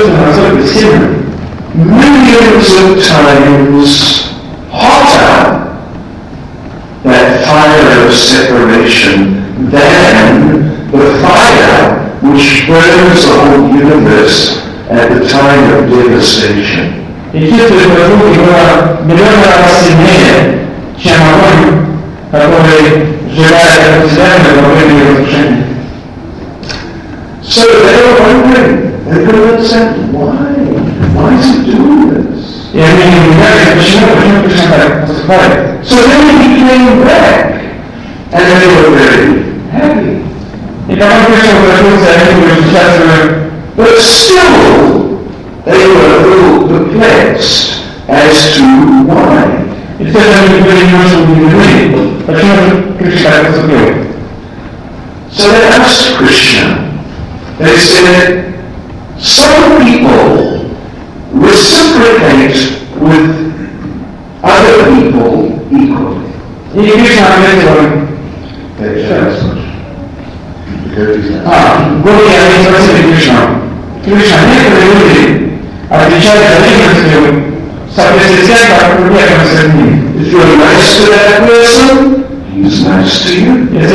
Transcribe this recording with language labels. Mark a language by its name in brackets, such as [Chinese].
[English] Millions of times hotter, that fire of separation, than the fire which burns the whole universe at the time of devastation. [Russian] Чем огонь, который сжигает эту землю во время разрушения. [English] So they were wondering, everyone said, why is he doing this? [Russian] И они не понимали, почему Кришна так поступает. [English] So then he came back, and they were very happy. [Russian] И когда Кришна вернулся, они были счастливы. [English] But still, they were a little perplexed as to why. [Russian] И все же они были немножко удивлены, почему же Кришна так поступил. [English] So they asked Krishna, they said, some people reciprocate with other people equally. [Russian] И Кришна ответил им. Гопи, они спросили Кришна. Кришна, некоторые люди отвечают за личностью, [English] if you're nice to that person, he's nice to you.